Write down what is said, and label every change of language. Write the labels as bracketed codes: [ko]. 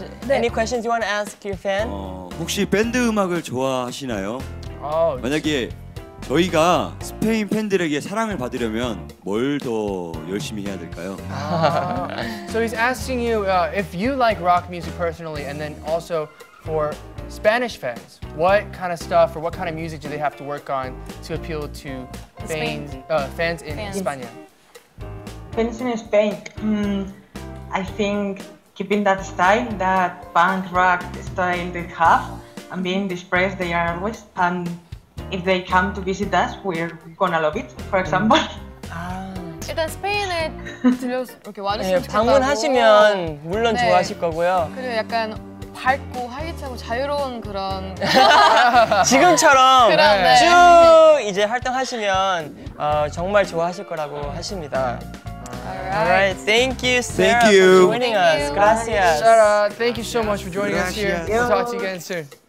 [en] Any questions you want to ask your fan? [ko] 혹시 밴드 음악을 좋아하시나요? 만약에 저희가 스페인 팬들에게 사랑을 받으려면 뭘 더 열심히 해야 될까요? [en] So he's asking you if you like rock music personally, and then also for Spanish fans, what kind of stuff or what kind of music do they have to work on to appeal to fans in España? Fans in Spain, I think. Keeping that style, that punk rock style they have, and being depressed they are always. And if they come to visit us, we're gonna love it. For example. [ko] 일단 스페인에 들려서 이렇게 와주시면 네, 방문하시면 물론 네. 좋아하실 거고요. 그리고 약간 밝고 활기차고 자유로운 그런 지금처럼 쭉 이제 활동하시면 정말 좋아하실 거라고 하십니다. [en] Alright, thank you, Sarah, thank you. For joining us. Gracias. Sarah, thank you so much for joining us here. We'll talk to you again soon.